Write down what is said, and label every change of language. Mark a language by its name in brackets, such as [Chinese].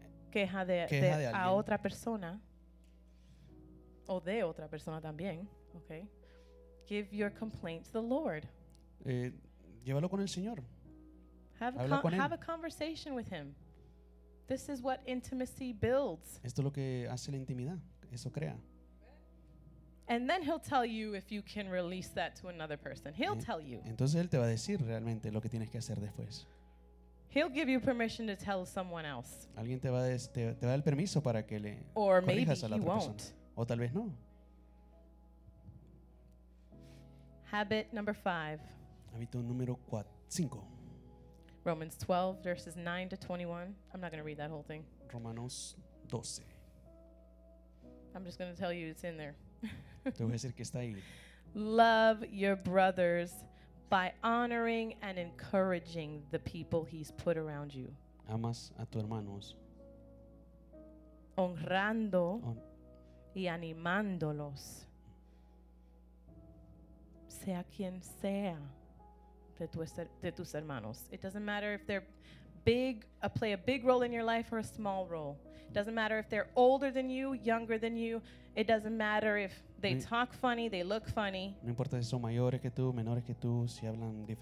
[Spanish] queja de alguien. A otra persona, o de otra persona también, [English] okay, give your complaint to the Lord. [Spanish] Llévalo con el Señor. [English] Have a conversation with him. This is what intimacy builds. [Spanish] Esto es lo que hace la intimidad. Eso crea. [English] And then he'll tell you if you can release that to another person. He'll tell you. [Spanish] Entonces él te va a decir realmente lo que tienes que hacer después. [English] He'll give you permission to tell someone else. [Spanish] Alguien te va a dar el permiso para que le corrijas a la otra persona. O tal vez no. [English] Habit number 5. [Spanish] Hábito número 5. [English] Romans 12 verses 9 to 21. I'm not going to read that whole thing. [Spanish] Romanos 12. [English] I'm just going to tell you it's in there. [Spanish] Te voy a decir que está ahí. [English] Love your brothers by honoring and encouraging the people he's put around you. [Spanish] Amas a tus hermanos. Honrando y animándolos. Sea quien sea. De tus hermanos. [English] It doesn't matter if they're play a big role in your life or a small role. It doesn't matter if they're older than you, younger than you. It doesn't matter if they talk funny, they look funny. [Spanish] No importa si son mayores que tú, menores que tú, si hablan diferente.